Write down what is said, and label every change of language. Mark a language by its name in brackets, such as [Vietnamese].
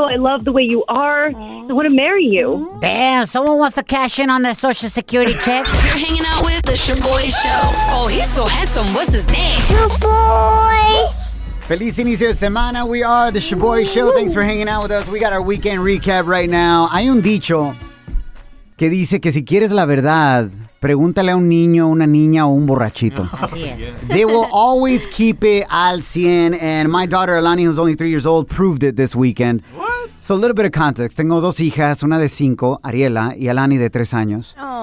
[English] I love the way you are. I want to marry you. Damn, someone wants to cash in on that social security check. You're hanging out with the Shaboy Show. Oh, he's so handsome. What's his name? Shaboy. [Spanish] Feliz inicio de semana. [English] We are the Shaboy Show. Thanks for hanging out with us. We got our weekend recap right now. [Spanish] Hay un dicho que dice que si quieres la verdad, pregúntale a un niño, una niña, o un borrachito. [English] They will always keep it al 100. And my daughter, Alani, who's only 3 years old, proved it this weekend. What? So a little bit of context. [Spanish] Tengo dos hijas, una de 5, Ariela, y Alani de 3 años.